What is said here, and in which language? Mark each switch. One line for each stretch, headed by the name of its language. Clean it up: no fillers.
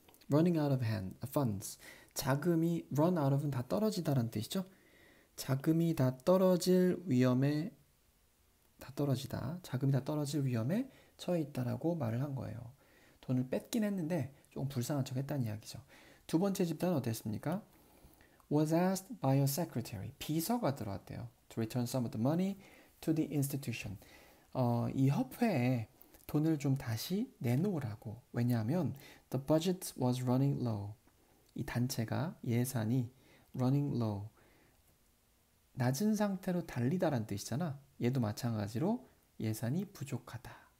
English: running out of hand, funds.
Korean: 자금이
English: run out of은
Korean: 다 떨어지다라는 뜻이죠. 자금이 다 떨어질 위험에 다 떨어지다. 자금이 다 떨어질 위험에 처해 있다라고 말을 한 거예요. 돈을 뺏긴 했는데 조금 불쌍한 척 했다는 이야기죠. 두 번째 집단은 어땠습니까?
English: was asked by a secretary.
Korean: 비서가 들어왔대요.
English: to return some of the money to the institution.
Korean: 이 협회에 돈을 좀 다시 내놓으라고. 왜냐하면
English: the budget was running low.
Korean: 이 단체가 예산이
English: running low.
Korean: 낮은 상태로 달리다란 뜻이잖아. 얘도 마찬가지로 예산이 부족하다.